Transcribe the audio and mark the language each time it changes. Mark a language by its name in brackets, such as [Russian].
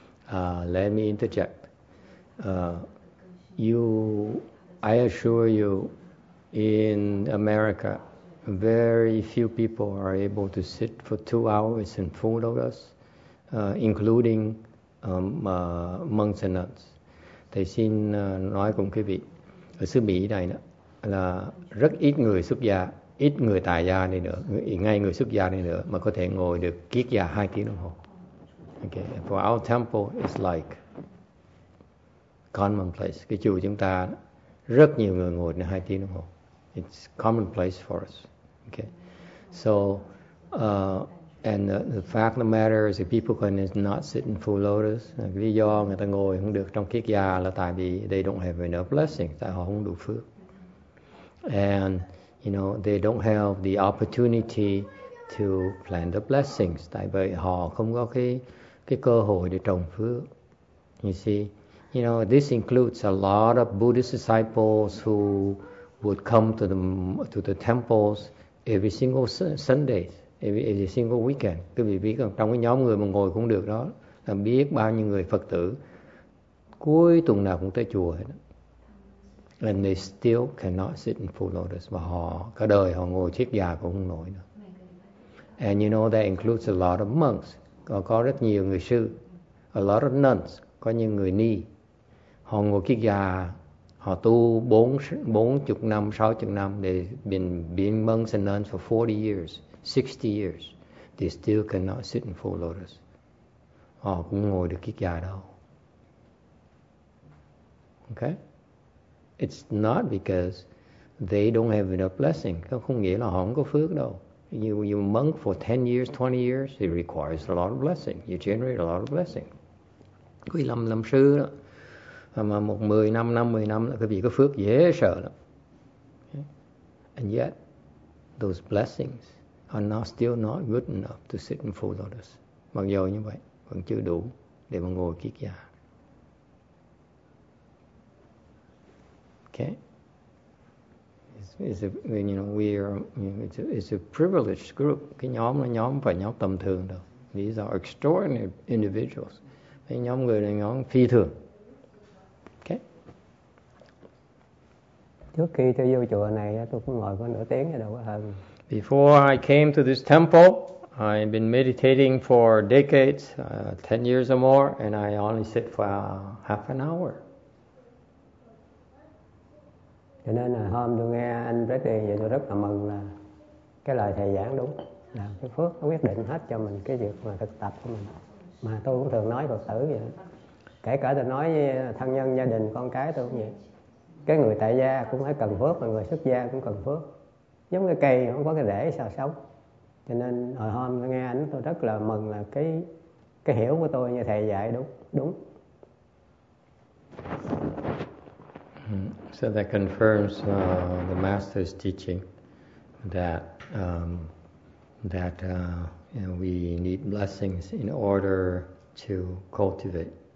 [English] Let me interject. I assure you, in America, very few people are able to sit for 2 hours in full lotus, including monks and nuns. [Vietnamese] Thầy xin nói cùng quý vị, ở xứ Mỹ này đó, là rất ít người xuất gia, ít người tài gia đi nữa, ngay người xuất gia đi nữa mà có thể ngồi được kiết già 2 tiếng đồng hồ. Okay. [English] For our temple is like commonplace. [Vietnamese] Cái chùa chúng ta rất nhiều người ngồi 2 tiếng đồng hồ. [English] It's commonplace for us. Okay. So the fact of the matter is that people can not sit in full lotus. [Vietnamese] Lý do người ta ngồi không được trong kiết già là tại vì [English] they don't have enough blessing, [Vietnamese] tại họ không đủ phước. [English] And you know, they don't have the opportunity to plant the blessings. [Vietnamese] Tại vì họ không có cái cơ hội để trồng phước. [English] You see, You know, this includes a lot of Buddhist disciples who would come to the temples every single Sunday, every single weekend. [Vietnamese] Quý vị biết không? Trong cái nhóm người mà ngồi cũng được đó, là biết bao nhiêu người Phật tử cuối tuần nào cũng tới chùa hết. [English] And they still cannot sit in full lotus. [Vietnamese] Và họ, cả đời họ ngồi chiếc già cũng không nổi nữa. [English] And you know, that includes a lot of monks. [Vietnamese] Có rất nhiều người sư. [English] A lot of nuns. [Vietnamese] Có những người ni. Họ ngồi chiếc già, họ tu 40 năm, 60 năm. [English] They've been monks and nuns for 40 years, 60 years. They still cannot sit in full lotus. [Vietnamese] Họ cũng ngồi được chiếc già đâu. [English] Okay? It's not because they don't have enough blessing. [Vietnamese] Không nghĩa là họ không có phước đâu. [English] You monk for 10 years, 20 years, it requires a lot of blessing. You generate a lot of blessing. [Vietnamese] Quý làm sư đó, mà một 10 năm, 50 năm là quý vị có phước dễ sợ lắm. [English] And yet, those blessings are still not good enough to sit in full lotus. [Vietnamese] Mặc dù như vậy, vẫn chưa đủ để mà ngồi kiết già. [English] Okay. It's a privileged group. [Vietnamese] Cái nhóm là nhóm phải nhóm tầm thường đâu. [English] These are extraordinary individuals. [Vietnamese] Cái nhóm người là nhóm phi thường. [English] Okay. [Vietnamese] Trước khi tôi vô chùa này, tôi cũng ngồi có nửa tiếng rồi đâu có hơn. [English] Before I came to this temple, I've been meditating for decades, 10 years or more, and I only sit for half an hour. [Vietnamese] Cho nên là hôm tôi nghe anh Rất Tiền vậy, tôi rất là mừng là cái lời thầy giảng đúng, là cái phước nó quyết định hết cho mình cái việc mà thực tập của mình. Mà tôi cũng thường nói Phật tử vậy, kể cả tôi nói với thân nhân, gia đình, con cái tôi cũng vậy. Cái người tại gia cũng phải cần phước, mà người xuất gia cũng cần phước. Giống cái cây không có cái rễ sao sống. Cho nên hồi hôm tôi nghe anh, tôi rất là mừng là cái hiểu của tôi như thầy dạy đúng, đúng. [English] So that confirms the master's teaching that you know, we need blessings in order to cultivate.